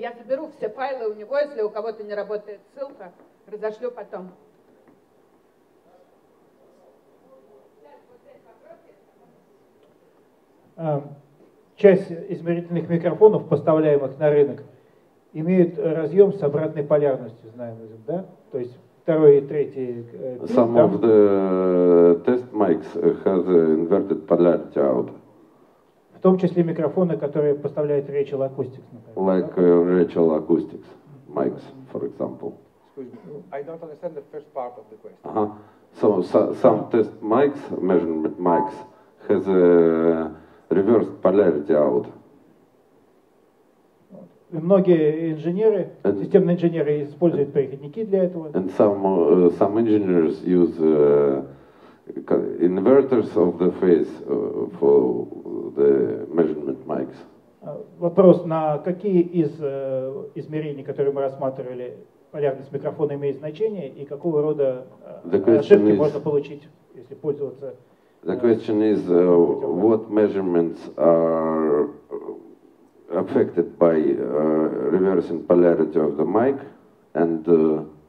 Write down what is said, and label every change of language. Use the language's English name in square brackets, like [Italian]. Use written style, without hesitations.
[Russian] Я заберу все файлы у него, если у кого-то не работает ссылка, разошлю потом. Часть измерительных микрофонов, поставляемых на рынок, имеют разъем с обратной полярностью, знаем, да? То есть [English] some of the test mics has inverted polarity out. [Russian] В том числе микрофоны, которые поставляет Rachel Acoustics, например. [English] Like Rachel Acoustics mics, for example. Excuse me, I don't understand the first part of the question. Uh-huh. So some test mics, measurement mics, has a reversed polarity out. [Russian] Многие инженеры, системные инженеры используют переходники для этого. [English] And some engineers use inverters of the phase for the measurement mics. [Russian] Вопрос, на какие из измерений, которые мы рассматривали, полярность микрофона имеет значение и какого рода ошибки можно получить, если пользоваться? [English] The question is what measurements are affected by reversing polarity of the mic, and